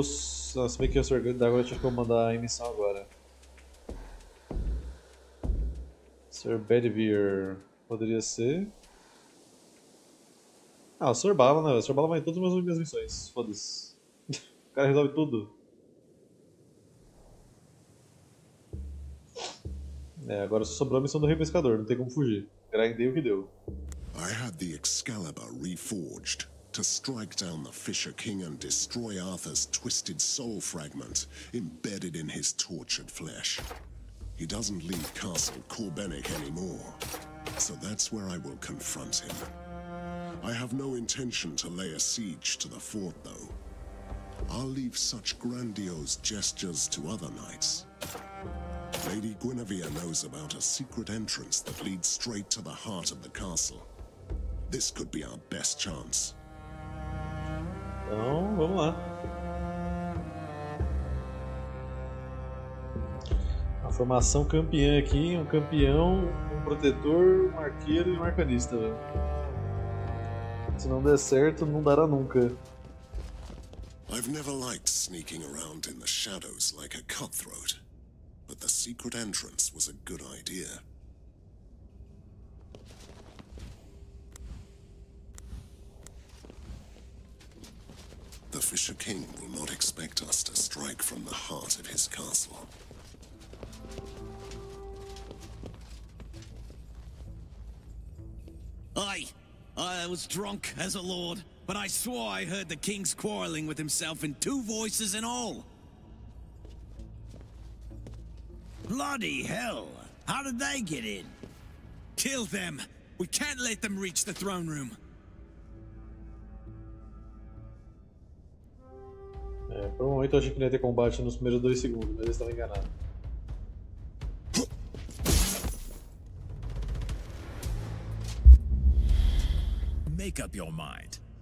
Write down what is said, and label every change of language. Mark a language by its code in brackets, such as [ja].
[pt] Ah, se bem que eu sou orgulho da água, tinha que eu mandar a emissão agora. Sir Bedivere. Poderia ser. Ah, o Sr. Bala, né? O Sr. Bala vai em todas as minhas missões. Foda-se. O cara resolve tudo. É, agora só sobrou a missão do Rei Pescador, não tem como fugir. Grindei o que deu. [en] I had the Excalibur reforged to strike down the Fisher King and destroy Arthur's twisted soul fragment embedded in his tortured flesh. He doesn't leave Castle Corbenic anymore, so that's where I will confront him. I have no intention to lay a siege to the fort, though. I'll leave such grandiose gestures to other knights. Lady Guinevere knows about a secret entrance that leads straight to the heart of the castle. This could be our best chance. [pt] Então, vamos lá. A formação campeã aqui, um campeão, um protetor, um arqueiro e um arcanista. Se não der certo, não dará nunca. [en] I've never liked sneaking around in the shadows like a cutthroat, but the secret entrance was a good idea. The Fisher King will not expect us to strike from the heart of his castle. I was drunk as a lord, but I swore I heard the king's quarreling with himself in two voices and all. Bloody hell! How did they get in? Kill them! We can't let them reach the throne room! [pt] É, por um momento eu achei que não ia ter combate nos primeiros dois segundos, mas eu estava enganado. [en] Make up your mind.